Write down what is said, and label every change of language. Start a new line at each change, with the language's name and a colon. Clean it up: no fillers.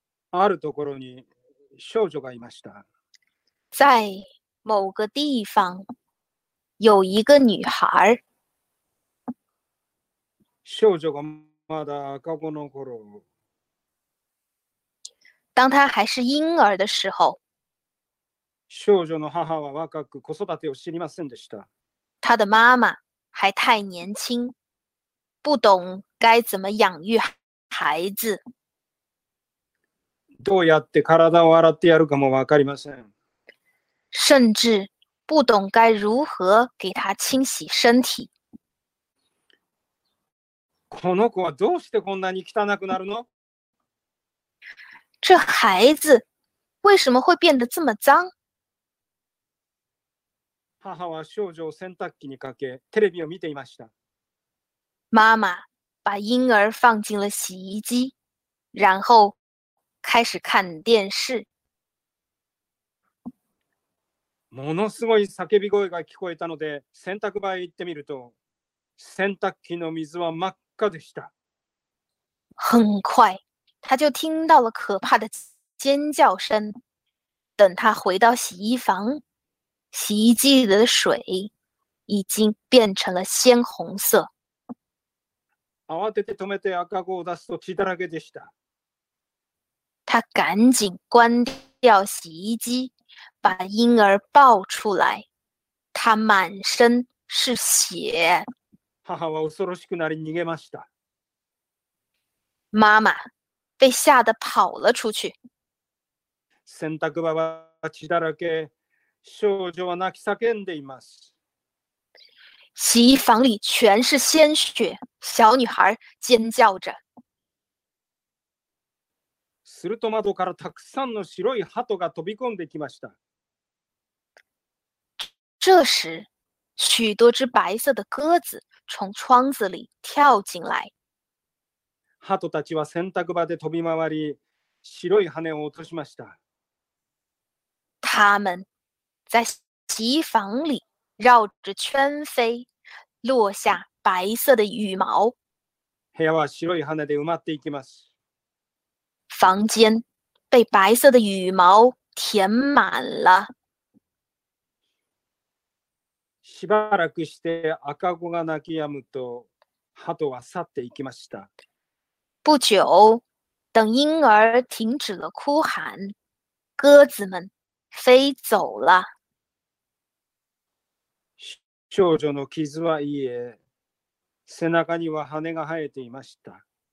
Japanese: あるところに少女がいました。
Chinese: 在某个地方有一个女孩。
Japanese: 少女がまだ赤子の頃。
Chinese: 当她还是婴儿的时候。
Japanese: 少女の母は若く子育てを知りませんでした。
Chinese: 她的妈妈还太年轻，不懂该怎么养育孩子。
Japanese: どうやって体を洗ってやるかもわかりません。
Chinese: 甚至不懂该如何给他清洗身体。
Japanese: この子はどうしてこんなに汚くなるの？
Chinese: 这孩子为什么会变得这么脏？
Japanese: 母は少女を洗濯機にかけ、テレビを見ていました。
Chinese: 妈妈把婴儿放进了洗衣机，然后开始看电视。
Japanese: ものすごい叫び声が聞こえたので、洗濯場へ行ってみると、洗濯機の水は真っ赤でした。
Chinese: 很快，他就听到了可怕的尖叫声。等他回到洗衣房，洗衣机里的水已经变成了鲜红色。
Japanese: 慌てて止めて赤子を出すと血だらけでした。
Chinese: 他赶紧关掉洗衣机，把婴儿抱出来，他满身是血。
Japanese: 母は恐ろしくなり逃げました。
Chinese: 妈妈被吓得跑了出去。
Japanese: 洗濯場は血だらけ、少女は泣き叫んでいます。
Chinese: 洗衣房里全是鲜血，小女孩尖叫着。
Japanese: すると窓からたくさんの白い鳩が飛び込んできました。
Chinese: 这时，许多只白色的鸽子从窗子里跳进来。
Japanese: 鳩たちは洗濯場で飛び回り、白い羽を落としました。
Chinese: 他们在洗衣房里绕着圈飞，落下白色的羽毛。
Japanese: 部屋は白い羽で埋まっていきます。
Chinese: 房间被白色的羽毛填满了。
Japanese: しばらくして赤子が泣き止むと、鳩は去っていきました。
Chinese: 不久，等婴儿停止了哭喊，鸽子们飞走了。
Japanese: 少女の傷は癒え、背中には羽が生えていました。